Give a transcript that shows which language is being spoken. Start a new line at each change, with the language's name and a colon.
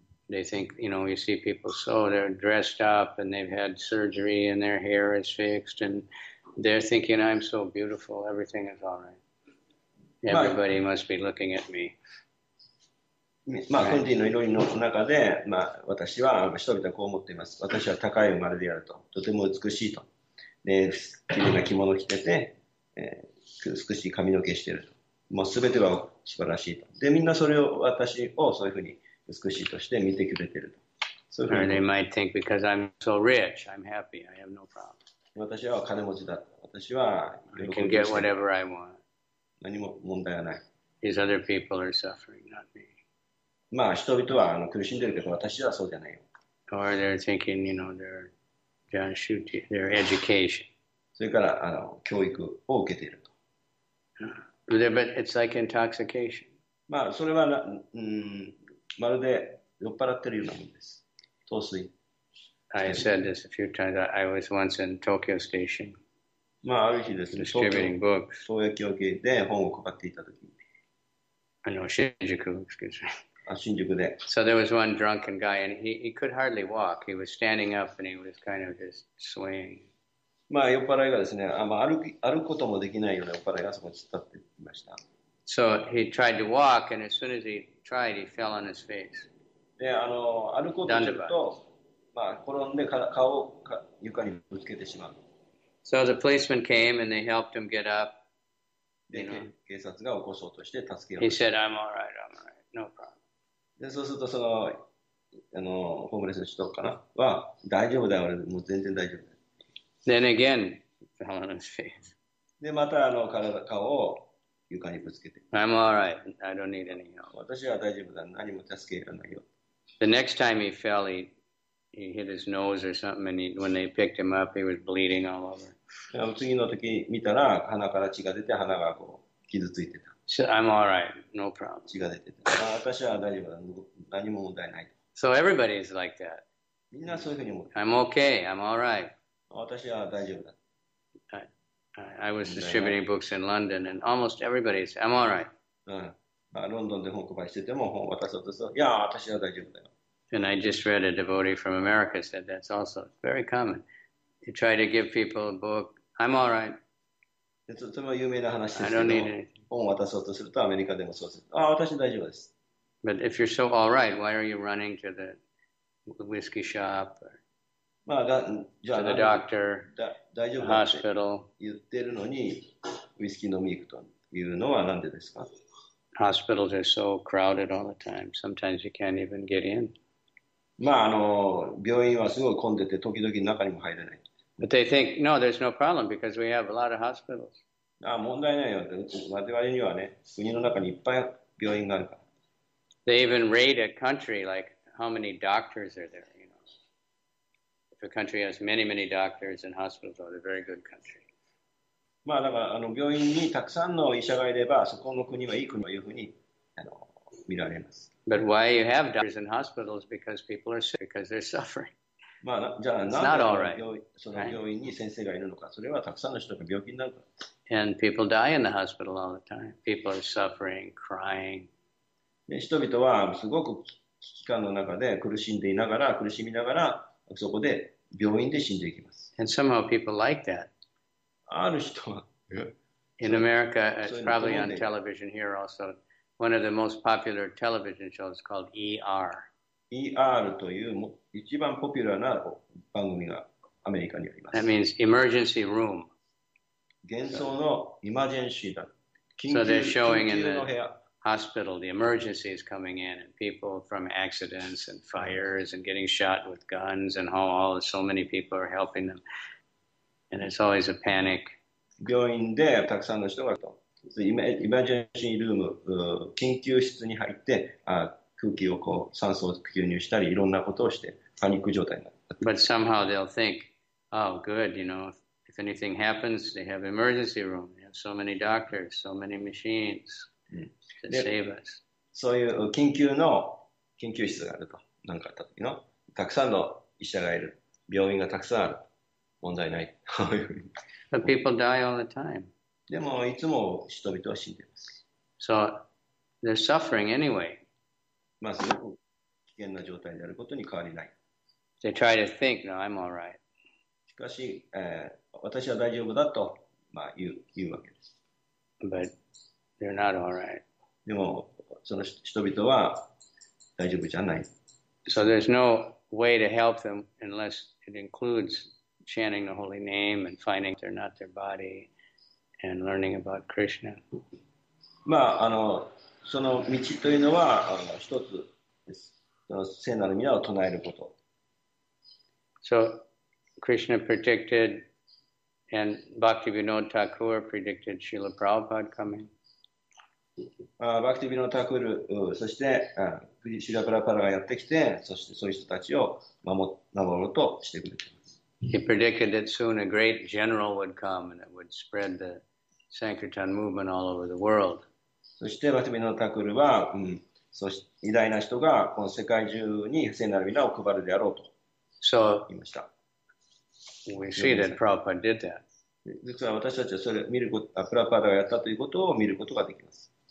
English: They think, you know, you see people, so they're dressed up and they've had surgery and their hair is fixed and they're thinking, I'm so beautiful, everything is all right. Everybody must be looking at me.
Japanese: まあ、コンディの祈りの中で、まあ、私は人々はこう思っています。私は高い生まれであると、とても美しいと。で、綺麗な着物を着てて、美しい髪の毛していると。もう全ては素晴らしいと。で、みんなそれを、私をそういうふうに。美しいとして見てくれていると。そういうふうに。
English: They might think because I'm so rich, I'm happy, I have no problem.
Japanese: 私は金持ちだ。私は
English: I can get whatever I want.
Japanese: 何も問題はない。
English: These other people are suffering, not me.
Japanese: まあ人々は苦しんでるけど私はそうじゃないよ。
English: Or they're thinking, you know, their education.
Japanese: それから教育を受けていると。
English: But it's like intoxication.
Japanese: まあそれはな、まるで酔っ払ってるようなもんです。陶酔。
English: I said this a few times. I was once in Tokyo Station.
Japanese: まあある日ですね。
English: Distributing books.
Japanese: 東京駅で本を配っていた時に。あの新宿、
English: excuse me.
Japanese: あ新宿で。
English: So there was one drunken guy, and he could hardly walk. He was standing up, and he was kind of just swaying.
Japanese: まあ酔っ払いがですね、あまあ歩くこともできないような酔っ払いがそこに立っていました。
English: So he tried to walk, and as soon as he tried, he fell on his face.
Japanese: で、あの歩こうとすると。まあ、転んで顔を床にぶつけてしまう。
English: So the policeman came and they helped him get up.
Japanese: で、警察が起こそうとして助けようとした。
English: He said, I'm alright, no problem.
Japanese: で、そうするとその、あの、ホームレスの人かなは、大丈夫だよ、俺、もう全然大丈夫だよ。
English: Then again, fell on his face.
Japanese: で、またあの顔を床にぶつけて。
English: I'm alright, I don't need any help.
Japanese: 私は大丈夫だ、何も助けられないよ。
English: The next time he fell, he hit his nose or something, and when they picked him up, he was bleeding all over.
Japanese: 次の時見たら鼻から血が出て鼻がこう傷ついてた。
English: So, I'm all right, no problem.
Japanese: 血が出てた。まあ、私は大丈夫だ。何も問題ない。
English: So everybody is like that.
Japanese: みんなそういうふうに思う。
English: I'm okay. I'm all right.
Japanese: 私は大丈夫だ。
English: I was distributing books in London, and almost everybody is I'm all right.
Japanese: うん。まあ、ロンドンで本配してても本渡そうとする。いや、私は大丈夫だよ。
English: And I just read a devotee from America said that's also very common. You try to give people a book, I'm all right.
Japanese: とても有名な話ですけど、本を渡そうとするとアメリカでもそうする。ああ、私大丈夫です。
English: But if you're so all right, why are you running to the whiskey shop? Or
Japanese: まあ、
English: to the doctor,
Japanese: 大丈夫だ
English: hospital.
Japanese: 言ってるのに、ウイスキー飲み行くというのはなんでですか?
English: Hospitals are so crowded all the time. Sometimes you can't even get in.
Japanese: まあ、あの病院はすごい混んでて時々中にも入れない。
English: But they think, no, there's no problem because we have a lot of hospitals.
Japanese: ああ問題ないよ。我々にはね、国の中にいっぱい病院があるから。
English: They even rate a country like how many doctors are there, you know. If a country has many, many doctors and hospitals, it's a very good country.
Japanese: まあだからあの病院にたくさんの医者がいれば、そこの国はいい国というふうにあの見られます。
English: But why you have doctors in hospitals? Because people are sick, because they're suffering.
Japanese: まあ、じゃあ、
English: It's not all right.
Japanese: その病院に先生がいるのか、それはたくさんの人が病気になるから。
English: And people die in the hospital all the time. People are suffering, crying.
Japanese: で、人々はすごく危機感の中で苦しんでいながら、苦しみながら、そこで病院で死んでいきます。
English: And somehow people like that.
Japanese: ある人は。
English: In America, it's probably on television here also. One of the most popular television shows called ER.
Japanese: ER という一番ポピュラーな番組がアメリカにあります。
English: That means emergency room.
Japanese: 幻想のエマージェンシーだ。
English: So they're showing in the hospital, the emergency is coming in, and people from accidents and fires and getting shot with guns and how all so many people are helping them. And it's always a panic.
Japanese: 病院でたくさんの人がと。イマージェンシールーム、緊急室に入って、空気をこう酸素を吸入したり、いろんなことをして、パニック状態になる。
English: But somehow they'll think, oh, good, you know, if anything happens, they have emergency room. They have so many doctors, so many machines to save us.
Japanese: そういう緊急室があると、なんかあった時の、たくさんの医者がいる、病院がたくさんある、問題ない。
English: But people die all the time.
Japanese: でもいつも人々は死んでいます。
English: So, they're suffering anyway.
Japanese: まあ、すごく危険な状態であることに変わりない。
English: They try to think, no, I'm all right.
Japanese: しかし、私は大丈夫だと、まあ、言うわけです。
English: But they're not all right.
Japanese: でも、その人々は大丈夫じゃない。
English: So there's no way to help them unless it includes chanting the holy name and finding they're not their body. And learning about Krishna.
Japanese: まあ、あの、その道というのは、あの、一つです。その聖なる皆を唱えること。
English: So, Krishna predicted, and Bhaktivinoda Thakur predicted Srila Prabhupada coming.
Japanese: Bhaktivinoda Thakur, そして、Srila Prabhupada がやってきて、そしてそういう人たちを守ろうとしてくれています。
English: He predicted that soon a great general would come and it would spread the Sankirtan movement all over the world.
Japanese: そしてバクティビノタクルは、うん、そして偉大な人がこの世界中に聖なる皆を配るであろうと言いました。
English: So, we see that Prabhupada did that.
Japanese: 実は私たちはそれを見ること、プラパダがやったということを見ることができます。